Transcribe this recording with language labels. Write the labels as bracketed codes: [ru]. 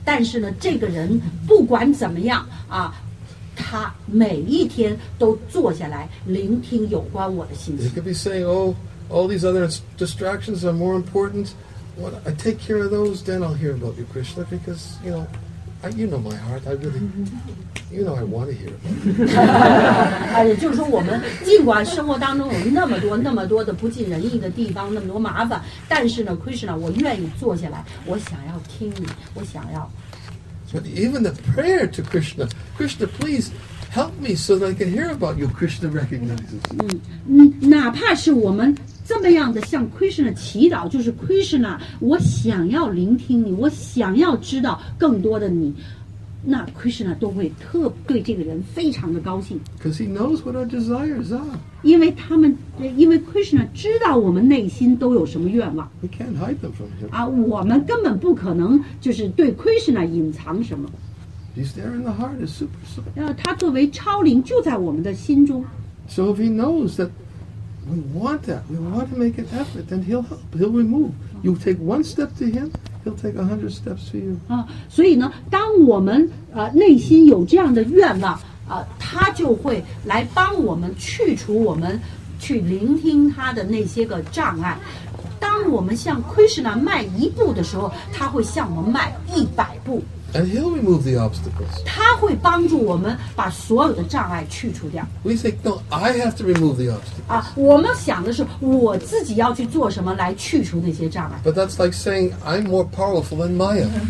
[zh] 但是呢，这个人不管怎么样啊，他每一天都坐下来聆听有关我的信息。 [en] They could be saying, oh, all these other distractions are more important. When I take care of those, then I'll hear about you, Krishna, because, you know, you know my heart. I really, you know, I want to hear about you. [zh] 就是说我们尽管生活当中有那么多的不尽人意的地方，那么多麻烦，但是呢, Krishna, 我愿意坐下来，我想要听你，我想要。 [en] But even the prayer to Krishna, Krishna, please help me so that I can hear about you, Krishna recognizes. [zh] 哪怕是我们这么样的向 Krishna 祈祷, 就是 Krishna, 我想要聆听你, 我想要知道更多的你, 那 Krishna 都会对这个人非常的高兴。 [en] Because he knows what our desires are. [zh] 因为 Krishna 知道我们内心都有什么愿望。 [en] We can't hide them from him. [zh] 我们根本不可能就是对 Krishna 隐藏什么。 [en] He's there in the heart, as super soul. [zh] 他作为超灵就在我们的心中。 [en] So if he knows that we want that, we want to make an effort, then he'll help, he'll remove. You take one step to him, he'll take 100 steps to you. [zh] 所以呢，当我们内心有这样的愿望，他就会来帮我们去除我们去聆听他的那些个障碍。当我们向 Krishna 迈一步的时候，他会向我们迈100步。 [en] And he'll remove the obstacles. [zh] 他会帮助我们把所有的障碍去除掉。 [en] We think, no, I have to remove the obstacles. [zh] 我们想的是我自己要去做什么来去除那些障碍。 [en] But that's like saying, I'm more powerful than Maya.